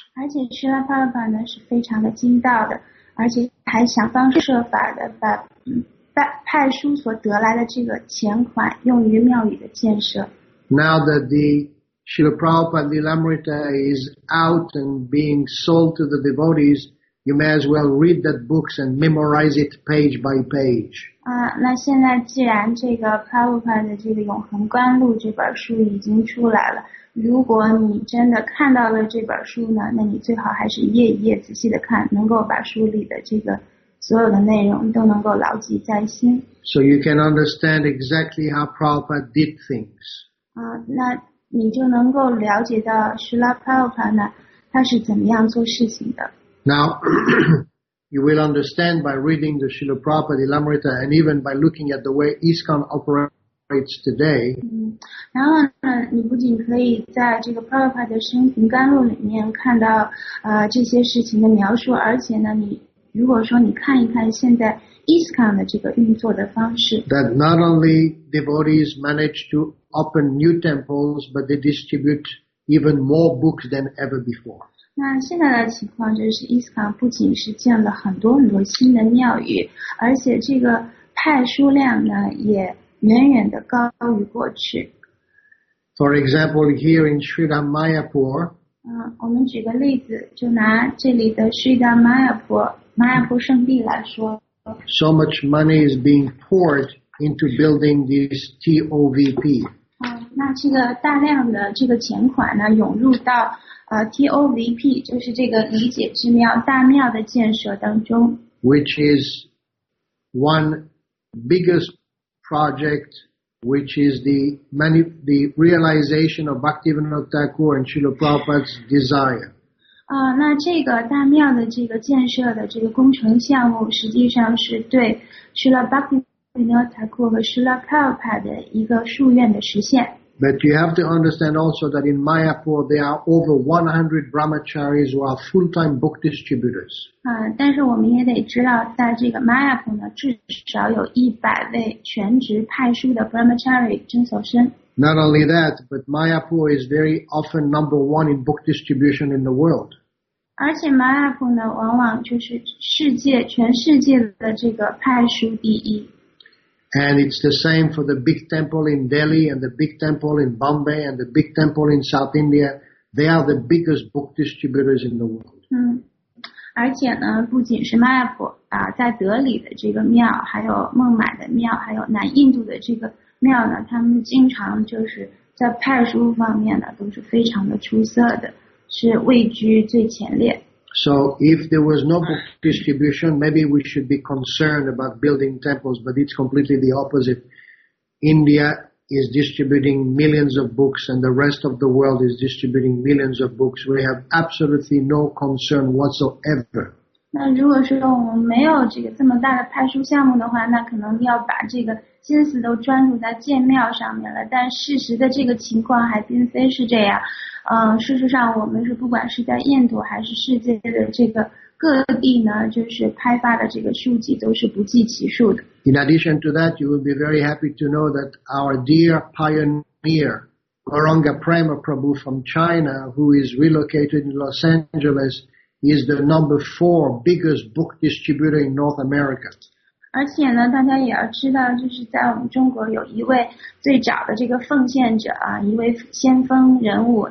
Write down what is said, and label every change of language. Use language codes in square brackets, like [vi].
[zh] 而且Srila Prabhupada 呢是非常的精道的，而且还想方设法的把派书所得来的这个钱款用于庙宇的建设。 [en] Now that the Srila Prabhupada Lilamrita is out and being sold to the devotees, you may as well read that book and memorize it page by page. [zh] 那现在既然这个 Prabhupada 的这个永恒观录这本书已经出来了，如果你真的看到了这本书呢，那你最好还是一页一页仔细的看，能够把书里的这个所有的内容都能够牢记在心。 [en] So you can understand exactly how Prabhupada did things. [zh] 那你就能够了解到 Srila Prabhupada 他是怎么样做事情的。 [en] Now, you will understand by reading the Srila Prabhupada Lilamrita and even by looking at the way ISKCON operates today. [zh] 然后呢，你不仅可以在这个 Prabhupada 的生平甘露里面看到这些事情的描述，而且呢，你如果说你看一看现在ISKCON 的这个运作的方式， [en] that not only devotees manage to open new temples, but they distribute even more books than ever before. [zh] 那现在的情况就是 ISKCON 不仅是建了很多很多新的庙宇，而且这个派书量呢也远远的高于过去。 [en] For example, here in Sridhar Mayapur, [zh] 我们举个例子，就拿这里的 Sridhar Mayapur, 马亚坡圣地来说。 [en] So much money is being poured into building this TOVP. [zh] 那这个大量的这个钱款呢，涌入到TOVP, 就是这个理解之庙大庙的建设当中。 [en] Which is one biggest project. Which is the realization of Bhaktivinoda Thakur and Srila Prabhupada's desire. [zh] 那这个大庙的这个建设的这个工程项目，实际上是对 Srila Bhaktivinoda Thakur 和 Srila Prabhupada 的一个夙愿的实现。 [en] But you have to understand also that in Mayapur there are over 100 brahmacharis who are full-time book distributors. [zh] 但是我们也得知道，在这个 Mayapur 呢，至少有100位全职派书的 brahmachari 正手生。 [en] Not only that, but Mayapur is very often number one in book distribution in the world. [zh] 而且 Mayapur 呢，往往就是全世界的这个派书第一。 [en] And it's the same for the big temple in Delhi and the big temple in Bombay and the big temple in South India. They are the biggest book distributors in the world. [zh] 而且呢，不仅是 Mayapur 在德里的这个庙，还有孟买的庙，还有南印度的这个庙呢，他们经常就是在派书方面呢，都是非常的出色的，是位居最前列。 [en] So if there was no book distribution, maybe we should be concerned about building temples, but it's completely the opposite. India is distributing millions of books and the rest of the world is distributing millions of books. We have absolutely no concern whatsoever. [zh] 那如果说我们没有这个这么大的派书项目的话，那可能要把这个心思都专注在建庙上面了，但事实的这个情况还并非是这样。事实上我们是不管是在印度还是世界的这个各地呢，就是派发的这个书籍都是不计其数的。 [en] In addition to that, you will be very happy to know that our dear pioneer, Gauranga Prema Prabhu from China, who is relocated in Los Angeles, is the number four biggest book distributor in North America. [zh] 而且呢，大家也要知道，就是在我们中国有一位最早的这个奉献者啊，一位先锋人物。